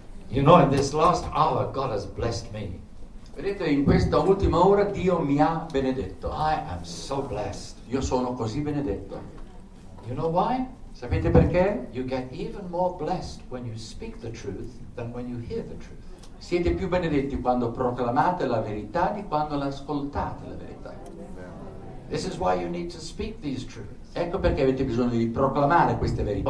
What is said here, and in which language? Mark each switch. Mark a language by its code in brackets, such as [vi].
[en] You know, in this last hour, God has blessed me. [it] Vedete, in questa ultima ora Dio mi ha benedetto. [en] I am so blessed. [it] Io sono così benedetto. [en] You know why? [it] Sapete perché? [en] You get even more blessed when you speak the truth than when you hear the truth. [it] Siete più benedetti quando proclamate la verità di quando l'ascoltate la verità. [en] This is why you need to speak these truths. [it] Ecco perché avete bisogno di proclamare queste verità.